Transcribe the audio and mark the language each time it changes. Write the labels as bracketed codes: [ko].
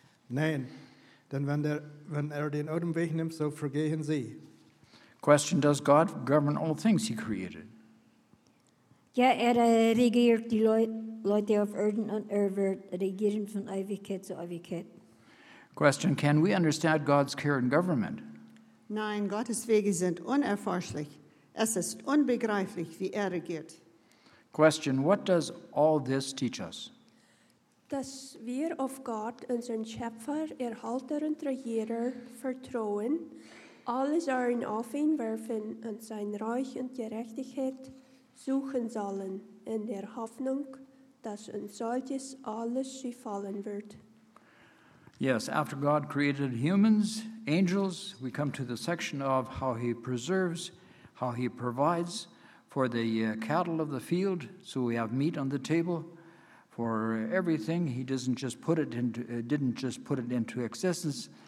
[de] Nein, denn wenn den Odem weg nimmt, so vergehen sie. [en] Question, does God govern all things he created? [de] Ja, regiert die Leute auf Erden und wird regieren von Ewigkeit zu Ewigkeit. [en] Question, can we understand God's care and government? [de] Nein, Gottes Wege sind unerforschlich. Es ist unbegreiflich, wie regiert. [en] Question, what does all this teach us? [de] Dass wir auf Gott, unseren Schöpfer, Erhalter und Regierer, vertrauen, alles Ehren auf ihn werfen und sein Reich und Gerechtigkeit suchen sollen, in der Hoffnung, dass uns solches alles gefallen wird. [en] Yes, after God created humans, angels, we come to the section of how he preserves, how he provides for the cattle of the field, so we have meat on the table for everything. He doesn't just put it into existence.